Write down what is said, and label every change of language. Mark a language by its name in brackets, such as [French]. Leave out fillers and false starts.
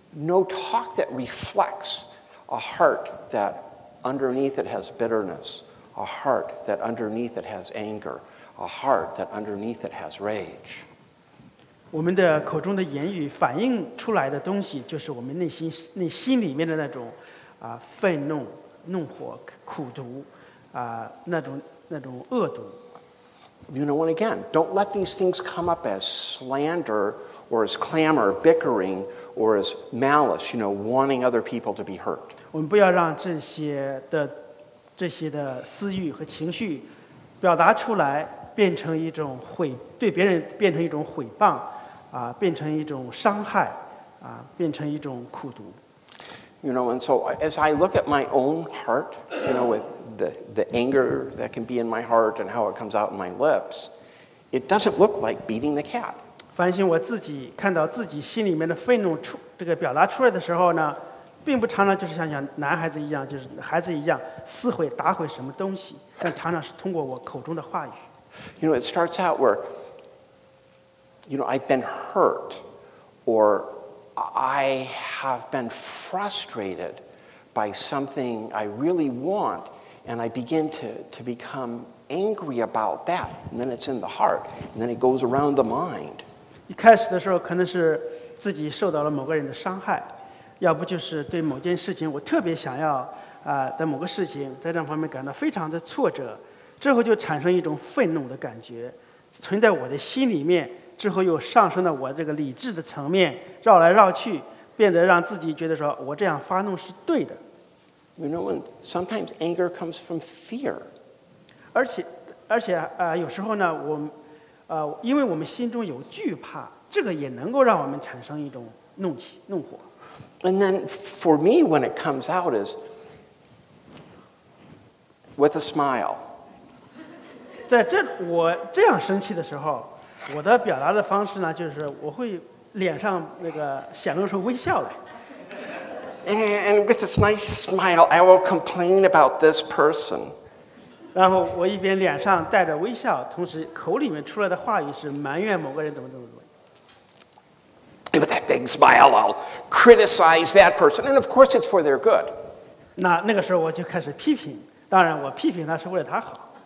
[English] No talk that reflects a heart that underneath it has bitterness, a heart that underneath it has anger, a heart that underneath it has rage. [Chinese] 我们的口中的言语反映出来的东西就是我们内心里面的那种愤怒怒火苦毒那种恶毒 [English] You know, and again, don't let these things come up as slander or as clamor, bickering or as malice, you know, wanting other people to be hurt. [Chinese] 我们不要让这些的私欲和情绪表达出来，变成一种对别人变成一种毁谤，啊，变成一种伤害，啊，变成一种苦读。 [English] You know, and so as I look at my own heart, you know, with the anger that can be in my heart and how it comes out in my lips, it doesn't look like beating the cat. [Chinese] 反省我自己，看到自己心里面的愤怒这个表达出来的时候呢，并不常常就是像男孩子一样，就是孩子一样撕毁、打毁什么东西，但常常是通过我口中的话语。 [English] You know, it starts out where, you know, I've been hurt, or I have been frustrated by something I really want, and I begin to become angry about that, and then it's in the heart, and then it goes around the mind. [Chinese] 一开始的时候可能是自己受到了某个人的伤害，要不就是对某件事情我特别想要的某个事情在这方面感到非常的挫折，之后就产生一种愤怒的感觉存在我的心里面，之后又上升到我这个理智的层面，绕来绕去，变得让自己觉得说我这样发怒是对的。 [English] You know, when sometimes anger comes from fear. [Chinese] 而且有时候呢，因为我们心中有惧怕，这个也能够让我们产生一种怒火。 [English] And then for me, when it comes out is with a smile. [Chinese] 在这我这样生气的时候，我的表达的方式呢，就是我会脸上那个显露出微笑来。 [English] And with this nice smile, I will complain about this person. [Chinese] 然后我一边脸上带着微笑，同时口里面出来的话语是埋怨某个人怎么怎么怎么。 [English] With that big smile, I'll criticize that person, and of course, it's for their good. [Chinese] 那个时候我就开始批评，当然我批评他是为了他好。